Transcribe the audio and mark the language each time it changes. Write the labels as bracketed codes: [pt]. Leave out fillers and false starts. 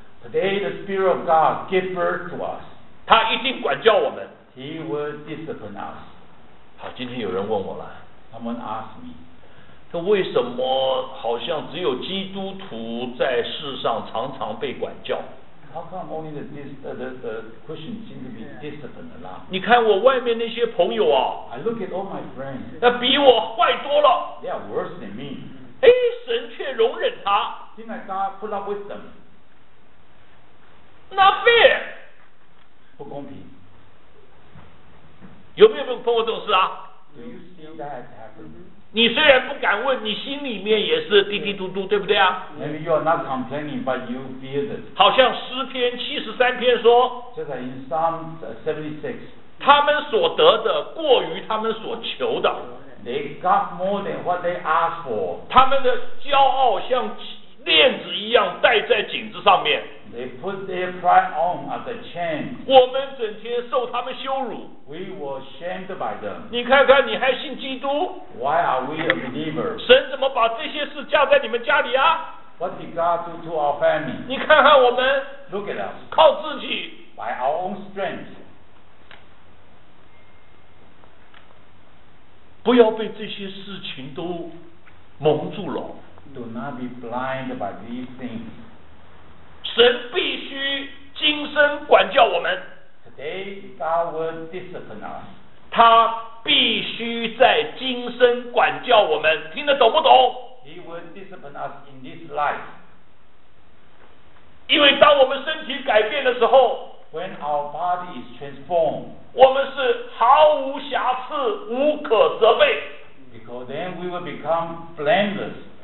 [en] Today the spirit of God gave birth to us [zh] 他一定管教我们 [en] He will discipline us [zh] 好，今天有人问我了。 [en] Someone asked me， [zh] 他为什么好像只有基督徒在世上常常被管教 [en] ？How come only the Christians seem to be disciplined a lot？ [zh] 你看我外面那些朋友啊 [en] ，I look at all my friends， [zh] 那比我坏多了。 [en] They are worse than me。 [zh] 哎，神却容忍他。 [en] Seems like God put up with them。 Not fair， [zh] 不公平。有没有碰过这种事啊 [en] Do you see that happen? [zh] 你虽然不敢问你心里面也是滴滴嘟嘟对不对啊 [en] Maybe you are not complaining, but you feel it. [zh] 好像诗篇七十三篇说 [en] Just like in Psalm 76 [zh] 他们所得的过于他们所求的 [en] They got more than what they asked for [zh] 他们的骄傲像链子一样戴在颈子上面 [en] They put their pride on as a chain [zh] 我们整天受他们羞辱 [en] We were shamed by them [zh] 你看看你还信基督 [en] Why are we a believer? [zh] 神怎么把这些事加在你们家里啊 [en] What did God do to our family? [zh] 你看看我们 [en] Look at us [zh] 靠自己 [en] By our own strength [zh] 不要被这些事情都蒙住了 [en] Do not be blind by these things. [zh] 神必须今生管教我们。 [en] Today God will discipline us. [zh] 他必须在今生管教我们，听得懂不懂 [en] ？He will discipline us in this life. [zh] 因为当我们身体改变的时候 [en] ，When our body is transformed, [zh] 我们是毫无瑕疵、无可责备。 [en] Because then we will become blameless.